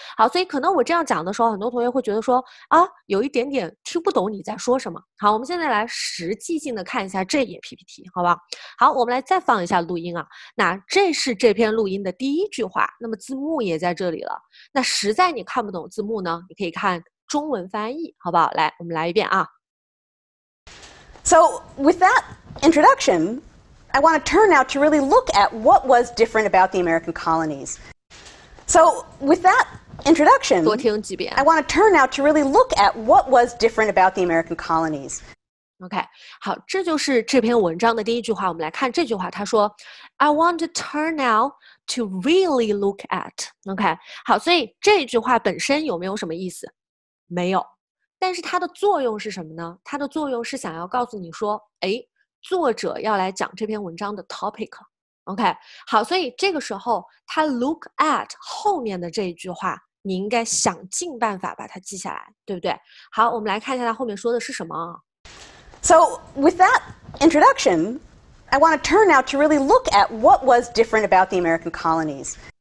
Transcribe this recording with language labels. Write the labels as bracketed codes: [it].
[zh] 好，所以可能我这样讲的时候，很多同学会觉得说啊，有一点点听不懂你在说什么。好，我们现在来实际性的看一下这页 PPT， 好吧？好，我们来再放一下录音啊。那这是这篇录音的第一句话，那么字幕也在这里了。那实在你看不懂字幕呢，你可以看中文翻译，好不好？来，我们来一遍啊。 [en] So with that introduction, I want to turn now to really look at what was different about the American colonies. So with that introduction, [zh] 多听几遍。 [en] I want to turn now to really look at what was different about the American colonies. [zh] OK, 好，这就是这篇文章的第一句话。我们来看这句话，他说 [en] I want to turn now to really look at. [zh] OK, 好，所以这句话本身有没有什么意思？没有。但是它的作用是什么呢？它的作用是想要告诉你说，哎，作者要来讲这篇文章的 topic。 OK， 好，所以这个时候他 look at 后面的这一句话，你应该想尽办法把它记下来，对不对？好，我们来看一下他后面说的是什么。 So with that introduction, I want to turn now to really look at what was different about the American colonies.